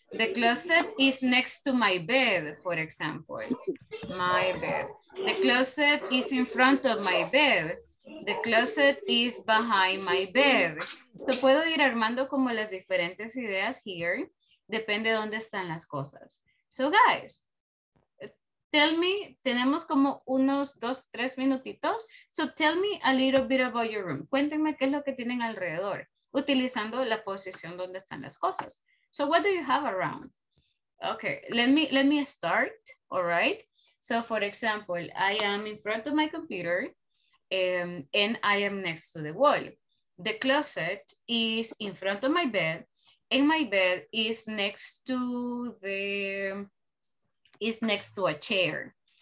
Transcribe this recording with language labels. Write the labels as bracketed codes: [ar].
[en] The closet is next to my bed, for example. My bed. The closet is in front of my bed. The closet is behind my bed. [es] So puedo ir armando como las diferentes ideas here. Depende de dónde están las cosas. [en] So guys, tell me, [es] tenemos como unos dos, tres minutitos. [en] So tell me a little bit about your room. [es] Cuéntenme qué es lo que tienen alrededor, utilizando la posición donde están las cosas. [en] So what do you have around? Okay, let me start, all right? So for example, I am in front of my computer and I am next to the wall. The closet is in front of my bed in my bed is next to the, is next to a chair.